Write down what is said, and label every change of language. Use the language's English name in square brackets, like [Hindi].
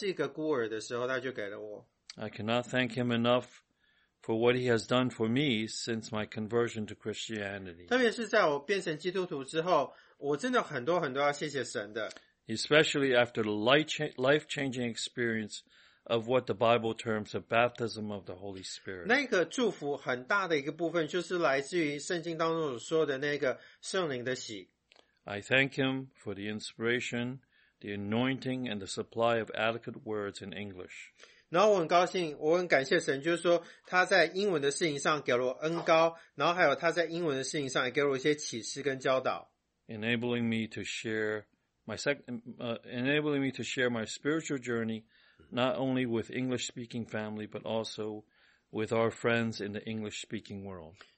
[Chinese] 在那个致谢的后面，接下来一样，他一样这样说，就是说，首先我要感谢神，他是那个爱我的天父，然后还有就是说，他那个丰盛的恩典，他那些丰盛的恩典是甚至在我还是一个孤儿的时候，他就给了我。 [English] I cannot thank him enough for what he has done for me since my conversion to Christianity. [Chinese] 特别是在我变成基督徒之后，我真的很多很多要谢谢神的。 [English] Especially after the life-changing experience of what the Bible terms a baptism of the Holy Spirit. [Chinese] 那个祝福很大的一个部分就是来自于圣经当中所说的那个圣灵的喜。 [English] I thank him for the inspiration, the anointing, and the supply of adequate words in English. [Chinese] 然后我很高兴，我很感谢神，就是说他在英文的事情上给了我恩高，然后还有他在英文的事情上也给了我一些启示跟教导。 [English] Enabling me to share my spiritual journey, not only with English-speaking family, but also with our friends in the English-speaking world.